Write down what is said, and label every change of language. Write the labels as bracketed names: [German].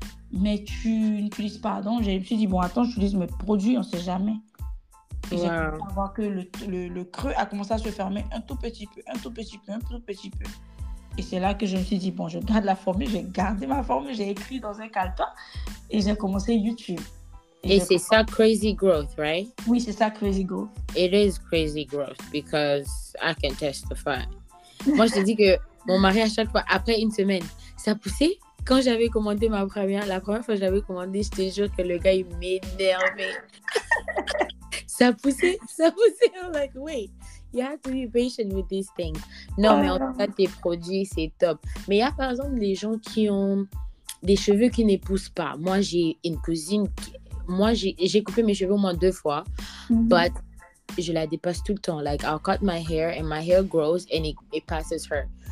[French] Mais tu n'utilises pas. Donc, je me suis dit, bon, attends, j'utilise mes produits, on ne sait jamais. Et j'ai commencé à voir que le creux a commencé à se fermer un tout petit peu, un tout petit peu, un tout petit peu. Et c'est là que je me suis dit, bon, je garde la formule, j'ai gardé ma formule, j'ai écrit dans un calepin et j'ai commencé YouTube. Et c'est ça, [English] crazy growth, right? [French] Oui, c'est ça, crazy growth. [English] It is crazy growth because I can testify. [French] Moi, je te dis que mon mari, à chaque fois, après une semaine, ça poussait. Quand j'avais commandé la première fois que j'avais commandé, je te jure que le gars, il m'énervait. Ça poussait. [English] I'm like, wait, you have to be patient with these things. [French] Non, mais en tout cas, tes produits, c'est top. Mais il y a, par exemple, des gens qui ont des cheveux qui ne poussent pas. Moi, j'ai une cousine. J'ai coupé mes cheveux au moins deux fois. Mm-hmm. But je la dépasse tout le temps. [English] Like, I'll cut my hair and my hair grows and it passes her.